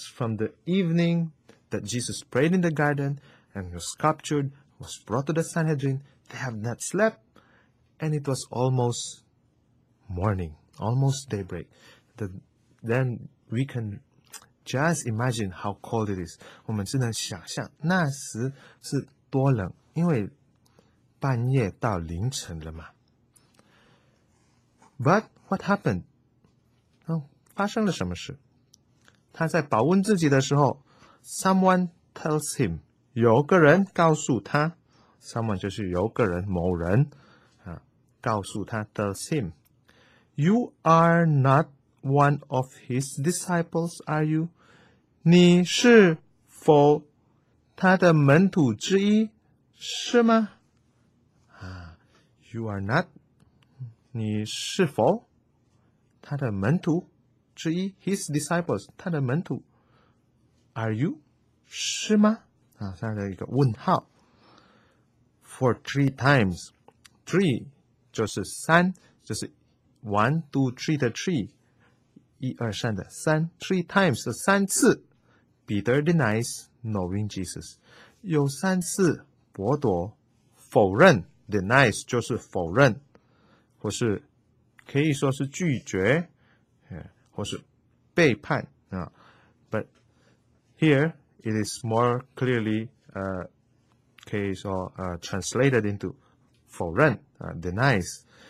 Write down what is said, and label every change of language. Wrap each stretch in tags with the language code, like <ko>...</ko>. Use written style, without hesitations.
<en>From the evening that Jesus prayed in the garden and was captured, was brought to the Sanhedrin, they have not slept, and it was almost morning, almost daybreak. Then we can just imagine how cold it is.</en> <zh>我们只能想象那时是多冷，因为半夜到凌晨了嘛。</zh> <en>But what happened?</en> <zh>发生了什么事？他在保温自己的时候</zh> <en>，someone tells him，</en> <zh>有个人告诉他</zh> <en>，someone</en> <zh>就是有个人某人告诉他</zh> <en>tells him， "You are not one of his disciples, are you?"</en> <zh>你是否他的门徒之一是吗？</zh> <en>You are not.</en> <zh>你是否他的门徒之一？</zh> <en>His disciples.</en> <zh>他的门徒。</zh> <en>Are you?</en> <zh>是吗？他的一个问号。</zh> <en>For three times. Three</en> <zh>就是三，就是</zh> <en>one, two, three 的 three。</en> <zh>一二三的三</zh> <en>,three times,</en> <zh>三次</zh> <en>Peter denies knowing Jesus.</en> <zh>有三次伯多否认 ,denies 就是否认，或是可以说是拒绝，或是背叛。</zh> <en>But here, it is more clearly,</en> <zh>可以说</zh> <en>translated into</en> <zh>否认denies.</zh>